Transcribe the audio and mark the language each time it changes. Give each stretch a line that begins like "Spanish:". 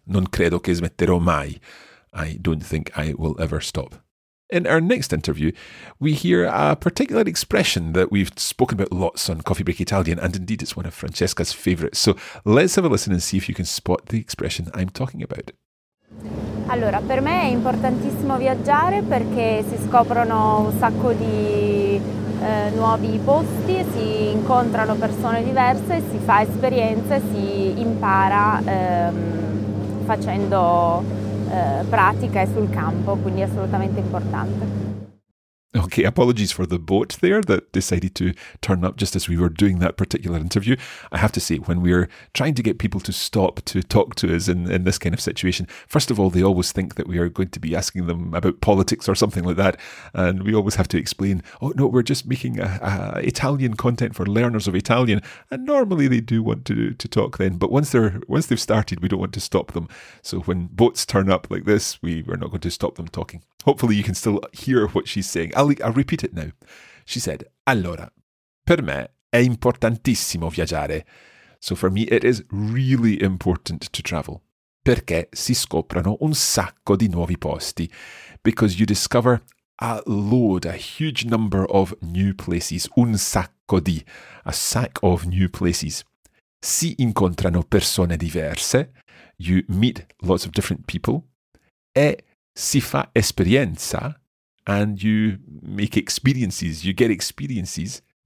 Italian: Non credo che smetterò mai.
English: I don't think I will ever stop. In our next interview, we hear a particular expression that we've spoken about lots on Coffee Break Italian, and indeed it's one of Francesca's favourites. So let's have a listen and see if you can spot the expression I'm talking about.
Italian: Allora, per me è importantissimo viaggiare perché si scoprono un sacco di nuovi posti, si incontrano persone diverse, si fa esperienza e si impara facendo pratica e sul campo, quindi assolutamente importante.
English: Okay, apologies for the boat there that decided to turn up just as we were doing that particular interview. I have to say, when we're trying to get people to stop to talk to us in this kind of situation, first of all, they always think that we are going to be asking them about politics or something like that. And we always have to explain, oh, no, we're just making a Italian content for learners of Italian. And normally they do want to talk then. But once they've started, we don't want to stop them. So when boats turn up like this, we're not going to stop them talking. Hopefully you can still hear what she's saying. I'll repeat it now. She said,
Italian: allora, per me è importantissimo viaggiare.
English: So for me, it is really important to travel.
Italian: Perché si scoprono un sacco di nuovi posti.
English: Because you discover a load, a huge number of new places.
Italian: Un sacco di,
English: a sack of new places.
Italian: Si incontrano persone diverse.
English: You meet lots of different people.
Italian: E si fa esperienza.
English: And you make experiences, you get experiences.